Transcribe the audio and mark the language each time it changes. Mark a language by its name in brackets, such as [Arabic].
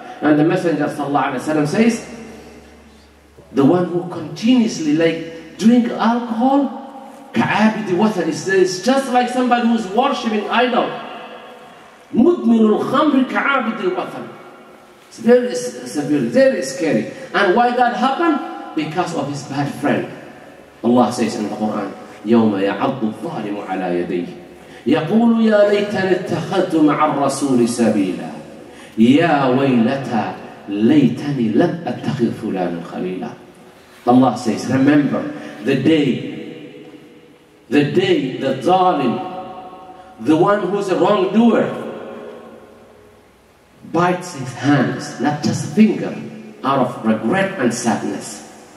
[English] And the Messenger sallallahu alayhi wa sallam says, the one who continuously like drink alcohol, [Arabic] ka'abidi wathan, [English] is just like somebody who's worshipping idol. [Arabic] Mudminul khamri ka'abidi wathan. [English] It's very severe, very scary. And why that happened? Because of his bad friend. Allah says in the Quran, [Arabic] يَوْمَ يَعَضُّ الظَّالِمُ عَلَى يَدَيْهِ يَقُولُ يَا لَيْتَنِ اتَّخَذْتُ مَعَ الرَّسُولِ سَبِيلًا يَا وَيْلَتَا لَيْتَنِي لَمْ أَتَّخِذْ فُلَانًا خَلِيلًا. [English] Allah says, remember the day the zalim, the one who's a wrongdoer, bites his hands, not just a finger, out of regret and sadness.